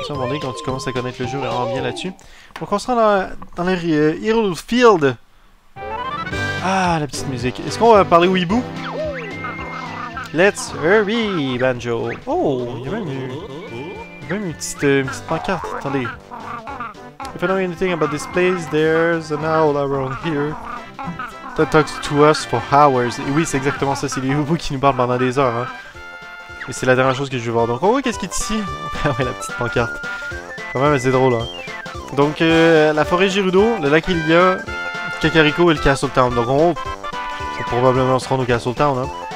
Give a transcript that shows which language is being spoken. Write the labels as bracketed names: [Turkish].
[French] Ça, on est quand tu commences à connaître le jeu vraiment bien là-dessus. Donc on se rend dans les Hyrule Field. Ah, la petite musique. Est-ce qu'on va parler Weeboo? [English] Let's hurry, Banjo. [French] Oh, il y a même une petite pancarte. Attendez. [English] If I know anything about this place, there's an owl around here that talks to us for hours. [French] Et oui, c'est exactement ça, c'est les hoobos qui nous parlent pendant des heures. Hein. Et c'est la dernière chose que je veux voir. Donc, oh, qu'est-ce qui est ici? Ah ouais, la petite pancarte. Quand même, c'est drôle. Hein. Donc, la forêt Gerudo, le lac Ilia, Kakariko et le Castle Town. Donc, on va probablement se rendre au Castle Town. Hein.